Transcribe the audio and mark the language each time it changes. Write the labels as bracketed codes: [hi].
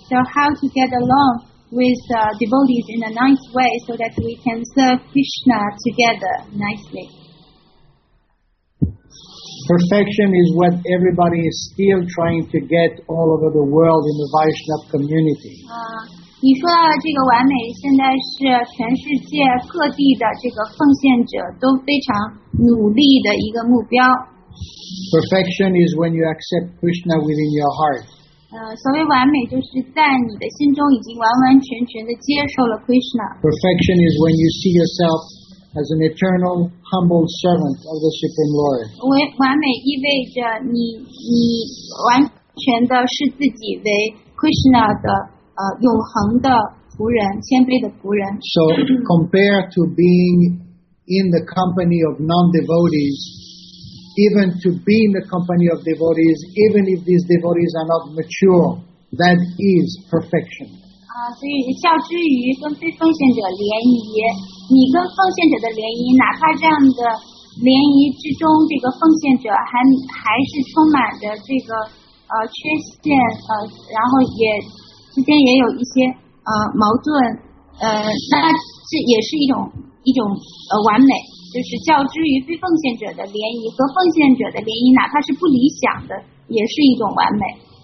[en] So, how to get along? With devotees in a nice way so that we can serve Krishna together nicely. Perfection is what everybody is still trying to get all over the world in the Vaishnava community. [zh] 你说到的这个完美，现在是全世界各地的这个奉献者都非常努力的一个目标。 [en] Perfection is when you accept Krishna within your heart. [zh] 所谓完美就是在你的心中已经完完全全的接受了 Krishna. [en] Perfection is when you see yourself as an eternal humble servant of the Supreme Lord. [zh] 完美意味着你完全的视自己为 Krishna 的永恒的仆人，谦卑的仆人。 [en] So compared to being in the company of non-devotees, even to be in the company of devotees, even if these devotees are not mature, that is perfection. [zh] 所以较之于跟非奉献者联谊，你跟奉献者的联谊，哪怕这样的联谊之中，这个奉献者还是充满着这个缺陷，然后也。之间也有一些矛盾，那这也是一种完美，就是较之于非奉献者的联谊和奉献者的联谊，哪怕是不理想的，也是一种完美。